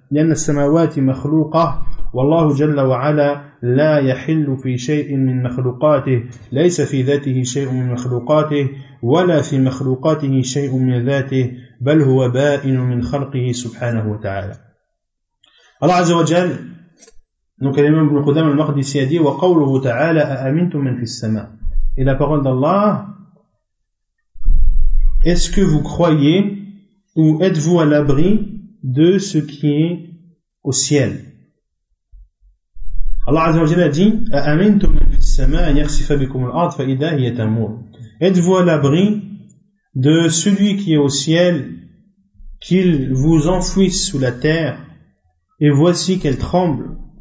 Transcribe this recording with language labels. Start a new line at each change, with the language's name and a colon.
Arabic: السماوات مخلوقة, والله جل وعلا لا يحل في شيء من مخلوقاته, ليس في ذاته شيء من مخلوقاته ولا في مخلوقاته شيء من ذاته, بل هو بائن من خلقه سبحانه وتعالى.
French: الله عز وجل, donc l'imam Ibn Qudam al-Maqdisi a dit,
Arabic: وَقَوْلُهُ تَعَالَ أَأَمِنْتُمْ مَنْ فِي السَّمَاءِ.
French: Et la parole d'Allah, est-ce que vous croyez ou êtes-vous à l'abri de ce qui est au ciel? Allah Azza wa Jalla a dit,
Arabic: أَأَمِنْتُمْ مَنْ فِي السَّمَاءِ أَنْ يَخْسِفَ بِكُمُ الْأَرْضِ فَإِذَا هِيَ تَمُورُ.
French: Êtes-vous à l'abri de celui qui est au ciel, qu'il vous enfouisse sous la terre et voici qu'elle tremble?